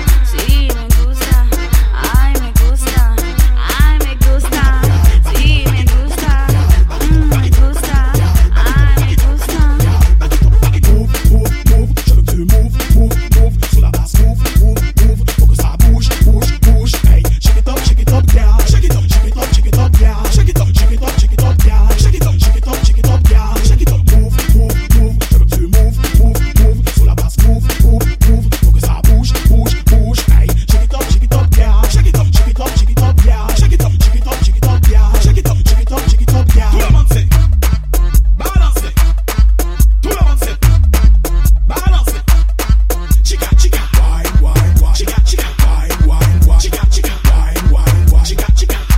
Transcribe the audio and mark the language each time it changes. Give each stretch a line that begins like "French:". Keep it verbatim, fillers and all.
Spanish: Sí, me gusta. Ay, me gusta. Ay, me gusta. Sí, me gusta. Mm, me gusta. Ay, me gusta.
English: Move, move, move.
French: Je veux que tu
English: move, move, move.
French: Sur la basse, move, move, move. Faut que ça bouge, bouge, bouge.
English: Hey, shake it up, shake it up, yeah. Shake it up, shake it up, shake it up, yeah. Shake it up, shake it up, shake it up, yeah. Shake it up, shake it up, shake it up, yeah. Shake it up, move, move, move.
French: Je veux que tu
English: move, move, move.
French: Sur la basse, move, move, move. Faut que ça bouge, bouge, bouge.
English: Hey, shake it up, shake it up, yeah. Shake it up, shake it up, shake it up, yeah. Shake it up, shake it up, shake it up, yeah. Shake it up, shake it up, shake it up, yeah.
French: Tout le monde sait. Balancez. Tout le monde sait. Balance.
English: Chica, chica. Wine, wine, wine. Chica, chica. Wine, wine, wine. Chica, chica. Wine, wine, wine. Chica, chica.